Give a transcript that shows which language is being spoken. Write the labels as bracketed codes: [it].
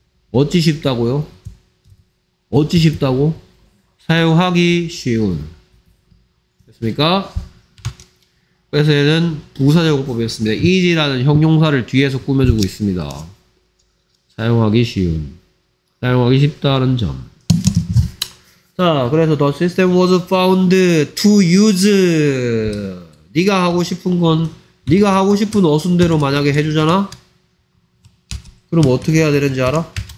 [ko] 어찌 쉽다고요? 어찌 쉽다고? 사용하기 쉬운. 됐습니까? 그래서 얘는 부사적용법이었습니다. easy라는 형용사를 뒤에서 꾸며주고 있습니다. 사용하기 쉬운. 사용하기 쉽다는 점. 자, 그래서 [en] the system was found to use. [ko] 네가 하고 싶은 건 네가 하고 싶은 어순대로 만약에 해주잖아. 그럼 어떻게 해야 되는지 알아?